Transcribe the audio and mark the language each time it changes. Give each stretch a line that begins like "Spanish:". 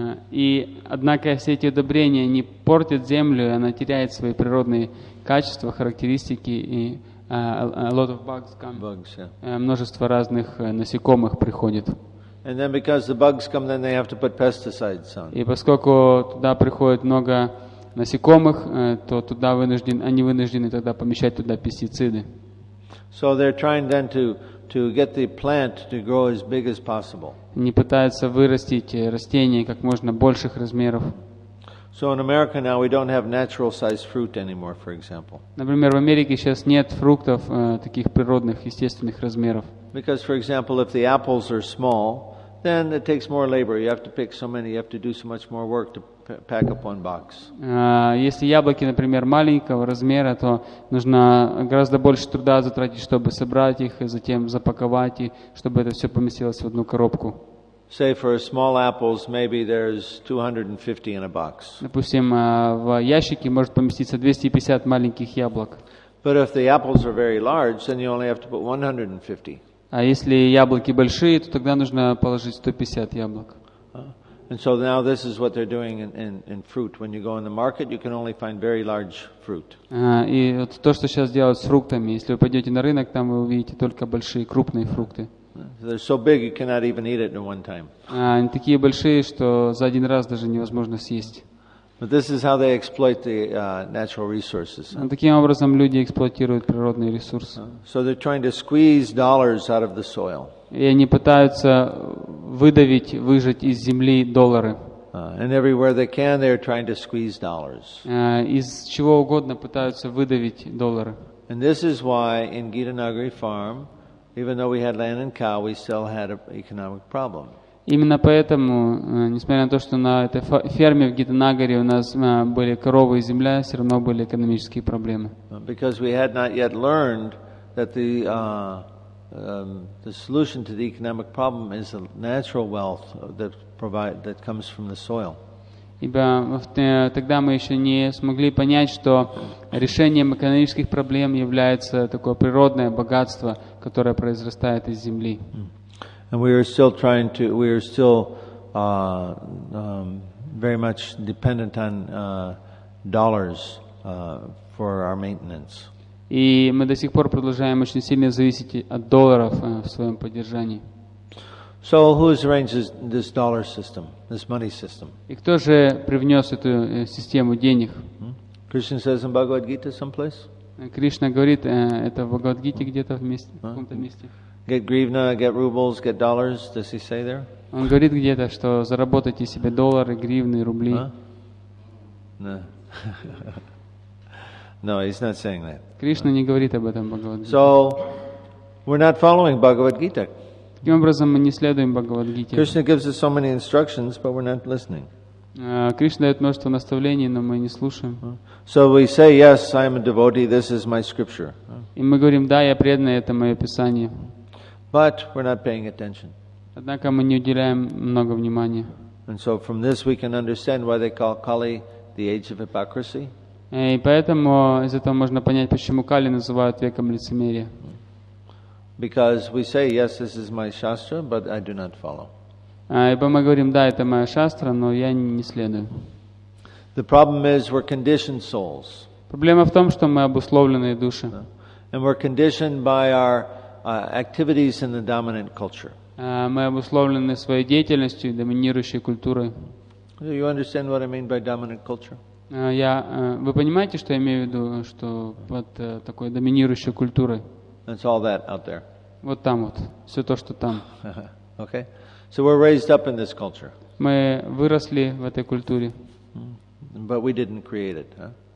Russian: И однако все эти удобрения не портят землю, она теряет свои природные качества, характеристики, и
English: a lot of bugs come. Bugs, yeah.
Russian: Множество разных насекомых приходит.
English: And then because the bugs come, then they have to put pesticides on.
Russian: И поскольку туда приходит много насекомых, то туда они вынуждены тогда помещать туда пестициды.
English: So they're trying then to get the plant to grow as big as possible.
Russian: Они пытаются вырастить растения как можно больших размеров.
English: So in America now we don't have natural sized fruit anymore, for example.
Russian: Например, в Америке сейчас нет фруктов таких природных естественных размеров.
English: Because, for example, if the apples are small, then it takes more labor. You have to pick so many, you have to do so much more work to pack up one box.
Russian: Если яблоки, например, маленького размера, то нужно гораздо больше труда затратить, чтобы собрать их и затем запаковать, и чтобы это все поместилось в одну коробку.
English: Say for small apples, maybe there's 250 in a box.
Russian: Допустим, в ящике может поместиться 250 маленьких яблок.
English: But if the apples are very large, then you only have to put 150.
Russian: А если яблоки большие, то тогда нужно положить 150 яблок.
English: And so now this is what they're doing in fruit. When you go in the market, you can only find very large fruit.
Russian: И вот то, что сейчас делают с фруктами. Если вы пойдете на рынок, там вы увидите только большие, крупные фрукты.
English: They're so big you cannot even eat it in one time.
Russian: Они такие большие, что за один раз даже невозможно съесть.
English: But this is how they exploit the natural resources.
Russian: Таким образом люди эксплуатируют природные ресурсы.
English: So they're trying to squeeze dollars out of the soil.
Russian: И они пытаются выжать из земли доллары.
English: And everywhere they can, they're trying to squeeze dollars.
Russian: Из чего угодно пытаются выдавить доллары.
English: And this is why in Gitanagari Farm, even though we had land and cow, we still had an economic problem.
Russian: Именно поэтому, несмотря на то, что на этой ферме в Гитанагаре у нас были коровы и земля, все равно были экономические проблемы.
English: Because we had not yet learned that the solution to the economic problem is the natural wealth that comes from the soil.
Russian: Ибо тогда мы еще не смогли понять, что решением экономических проблем является такое природное богатство, которое произрастает из земли.
English: And we are still very much dependent on dollars for our maintenance.
Russian: И мы до сих пор продолжаем очень сильно зависеть от долларов в своем поддержании.
English: So who has arranged this dollar system, this money system?
Russian: И кто же привнес эту систему денег?
English: Krishna says in Bhagavad Gita someplace.
Russian: Кришна говорит, это в Бхагавад Гите где-то вместе, в каком-то месте.
English: Get grivna, get rubles, get dollars. Does he say there?
Russian: Он говорит где-то, что заработайте себе доллары, гривны, рубли.
English: No, he's not saying that.
Russian: Кришна не говорит об этом в Бхагавад Гите.
English: So we're not following Bhagavad Gita.
Russian: Таким образом, мы не следуем Бхагавад Гите.
English: Krishna gives us so many instructions, but we're not listening.
Russian: Кришна дает множество наставлений, но мы не слушаем.
English: So we say, yes, I am a devotee, this is my scripture.
Russian: И мы говорим, да, я преданный, это мое писание.
English: But we're not paying attention.
Russian: Однако мы не уделяем много внимания.
English: And so from this we can understand why they call Kali the age of hypocrisy.
Russian: И поэтому из этого можно понять, почему Кали называют веком лицемерия.
English: Because we say, yes, this is my shastra, but I do not follow.
Russian: Ибо мы говорим, да, это моя шастра, но я не следую.
English: The problem is we're conditioned souls.
Russian: Проблема в том, что мы обусловленные души.
English: And we're conditioned by our activities in the dominant culture.
Russian: Мы обусловлены своей деятельностью и доминирующей культурой.
English: Do you understand what I mean by dominant culture?
Russian: Вы понимаете, что я имею в виду, что под такой доминирующей культурой?
English: That's all that out there.
Russian: Вот там вот, все то, что там.
English: Okay. So we're raised up in this culture.
Russian: Мы выросли в этой культуре.
English: But we didn't create it, huh?